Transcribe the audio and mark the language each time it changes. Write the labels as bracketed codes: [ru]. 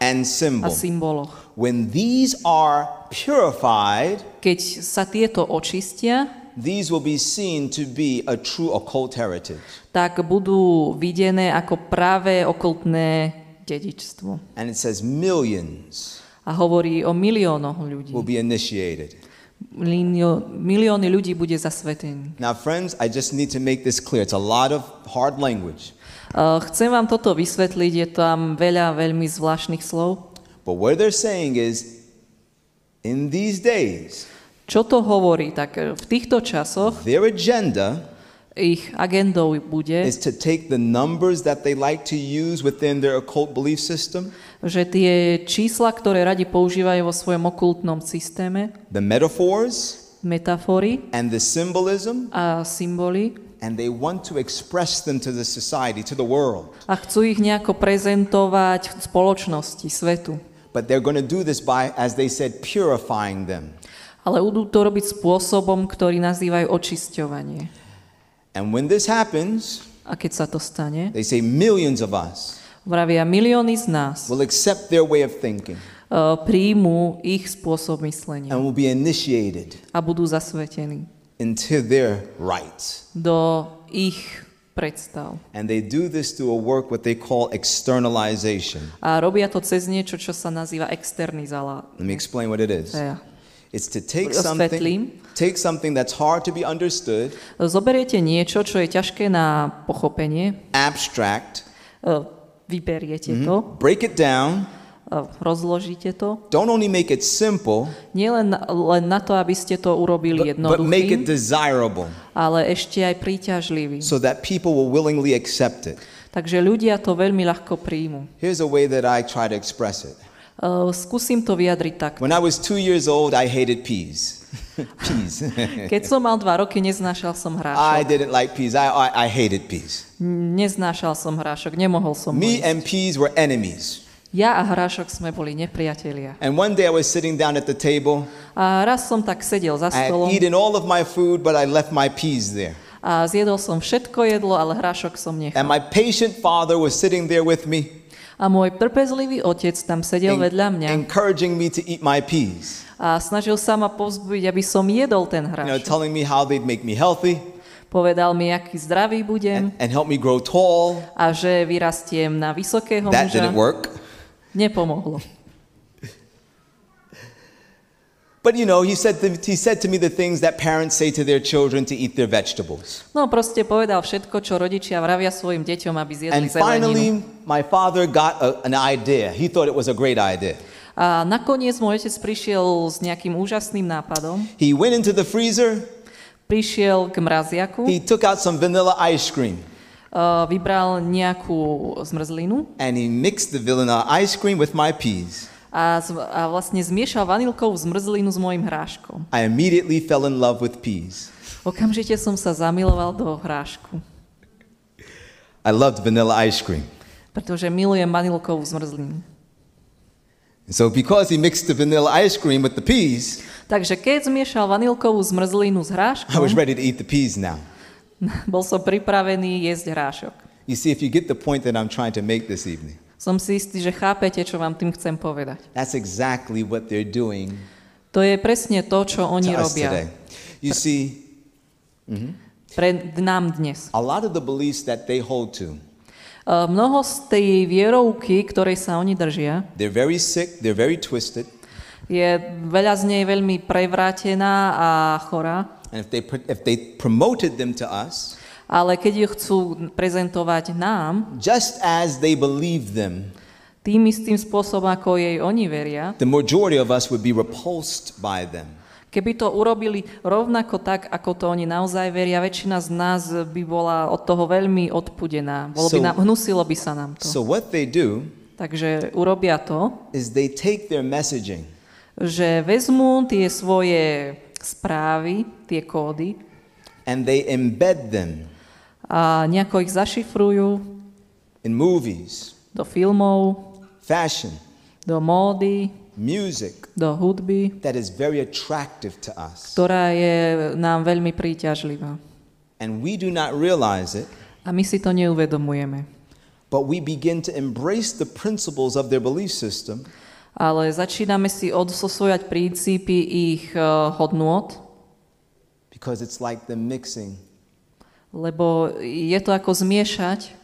[en] and [sk] a symboloch. [en] When these are purified, [sk] keď sa tieto očistia, [en] these will be seen to be a true occult heritage. [sk] Tak budú videné ako pravé okultné dedičstvo. [en] And it says millions. [sk] A hovorí o miliónoch ľudí. [en] Will be initiated. [sk] milióny ľudí bude zasvetený. [en] Now friends, I just need to make this clear. It's a lot of hard language. [sk] Chcem vám toto vysvetliť, je tam veľa veľmi zvláštnych slov. [en] But what they're saying is in these days. [sk] Čo to hovorí, tak v týchto časoch? [en] Their agenda [sk] ich agendou bude [en] is to take the numbers that they like to use within their occult belief system. [sk] Že tie čísla, ktoré radi používajú vo svojom okultnom systéme, [en] the metaphors, [sk] metafory, [en] and the symbolism, [sk] a symboly, [en] and they want to express them to the society, to the world. [sk] A chcú ich nejako prezentovať v spoločnosti, svetu. [en] But they're going to do this by, as they said, purifying them. [sk] Ale budú to robiť spôsobom, ktorý nazývajú očisťovanie. [en] And when this happens, [sk] a keď sa to stane, [en] they say millions of us, [sk] vravia milióny z nás, [en] will accept their way of thinking. [sk] Príjmu ich spôsob myslenia. [en] And will be initiated. [sk] A budú zasvetení. [en] Into their rites. [sk] Do ich predstav. [en] And they do this through a work what they call externalization. [sk] A robia to cez niečo, čo sa nazýva externalizácia. [en] Let me explain what it is. [sk] Ja. [en] It's to take something, that's hard to be understood. [sk] Zoberiete niečo, čo je ťažké na pochopenie. [en] Abstract. [sk] Vyberiete to. [en] Break it down. [sk] Rozložíte to. [en] Don't only make it simple. [sk] Nie len na to, aby ste to urobili jednoduchým. [en] But make it desirable. [sk] Ale ešte aj príťažlivý. [en] So that people will willingly accept it. [sk] Takže ľudia to veľmi ľahko príjmu. [en] Here's a way that I try to express it. [sk] Skúsim to vyjadriť tak. [en] When I was 2 years old, I hated peas. Peas. [sk] Keď som mal 2 roky, neznášal som hrášok. [en] I didn't like peas. I hated peas. [sk] Neznášal som hrášok, nemohol som ho. [en] Me and peas were enemies. [sk] Ja a hrášok sme boli nepriatelia. [en] And one day I was sitting down at the table. [sk] A raz som tak sedel za stolom. [en] I had eaten all of my food, but I left my peas there. [sk] A zjedol som všetko jedlo, ale hrášok som nechal. [en] And my patient father was sitting there with me. [sk] A môj trpezlivý otec tam sedel vedľa mňa. [en] Encouraging me to eat my peas. [sk] A snažil sa ma povzbudiť, aby som jedol ten hrášok. [en] You know, telling me how they'd make me healthy. [sk] Povedal mi, aký zdravý budem. [en] And help me grow tall. [sk] A že vyrastiem na vysokého [en] that That didn't work. [sk] Nepomohlo. [en] But you know, he said to me the things that parents say to their children to eat their vegetables. [sk] No, proste povedal všetko, čo rodičia vravia svojim deťom, aby zjedli zeleninu. [en] And finally, my father got an idea. He thought it was a great idea. [sk] A nakoniec môj otec prišiel s nejakým úžasným nápadom. [en] He went into the freezer. [sk] Prišiel k mraziaku. [en] He took out some vanilla ice cream. [sk] Vybral nejakú zmrzlinu. [en] And he mixed the vanilla ice cream with my peas. [sk] A vlastne zmiešal vanilkovú zmrzlinu s mojim hráškom. [en] I immediately fell in love with peas. [sk] Okamžite som sa zamiloval do hrášku. [en] I loved vanilla ice cream. [sk] Pretože milujem vanilkovú zmrzlinu. [en] So because he mixed the vanilla ice cream with the peas, [sk] takže keď zmiešal vanilkovú zmrzlinu s hráškom, [en] I was ready to eat the peas now. [sk] Bol som pripravený jesť hrášok. [en] You see, if you get the point that I'm trying to make this evening, [sk] som si istý, že chápete, čo vám tým chcem povedať. [en] That's exactly what they're doing. [sk] To je presne to, čo oni robia. [en] You see, [sk] pre nám dnes. [en] A lot of the beliefs that they hold to. [sk] Mnoho z tej vierovky, ktorej sa oni držia. [en] They're very sick, they're very twisted. [sk] Je veľa z nej veľmi prevrátená a chorá. [en] And if they promoted them to us. [sk] Ale keď ju chcú prezentovať nám, [en] just as they believe them, [sk] tým istým spôsobom, ako jej oni veria, [en] the majority of us would be repulsed by them. [sk] Keby to urobili rovnako tak, ako to oni naozaj veria, väčšina z nás by bola od toho veľmi odpudená. Bolo by nám, hnusilo by sa nám to. [en] So what they do, [sk] takže urobia to, [en] is they take their messaging, [sk] že vezmú tie svoje správy, tie kódy, [en] and they embed them. [sk] A nejako ich zašifrujú. [en] In movies. [sk] Do filmov. [en] Fashion. [sk] Do módy. [en] Music. [sk] Do hudby. [en] That is very attractive to us. [sk] Ktorá je nám veľmi príťažlivá. [en] And we do not realize it. [sk] A my si to neuvedomujeme. [en] But we begin to embrace the principles of their belief system. [sk] Ale začíname si odsosovať princípy ich hodnôt. [en] Because it's like the mixing. [sk] Lebo je to ako zmiešať